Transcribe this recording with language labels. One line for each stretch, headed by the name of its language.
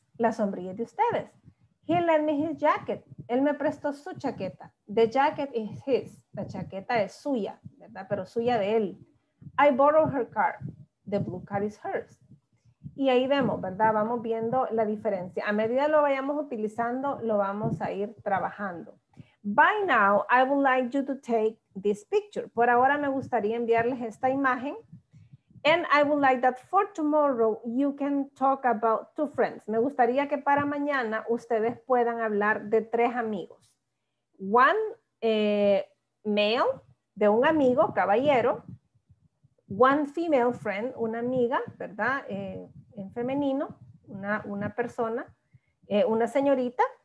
Spanish: La sombrilla es de ustedes.
English: He lent me his jacket.
Spanish: Él me prestó su chaqueta.
English: The jacket is his.
Spanish: La chaqueta es suya, ¿verdad? Pero suya de él.
English: I borrowed her car. The blue car is hers.
Spanish: Y ahí vemos, ¿verdad? Vamos viendo la diferencia. A medida lo vayamos utilizando, lo vamos a ir trabajando.
English: By now, I would like you to take this picture.
Spanish: Por ahora me gustaría enviarles esta imagen.
English: And I would like that for tomorrow, you can talk about two friends.
Spanish: Me gustaría que para mañana ustedes puedan hablar de tres amigos.
English: One male,
Spanish: de un amigo, caballero.
English: One female friend,
Spanish: una amiga, ¿verdad? En femenino, una persona, una señorita.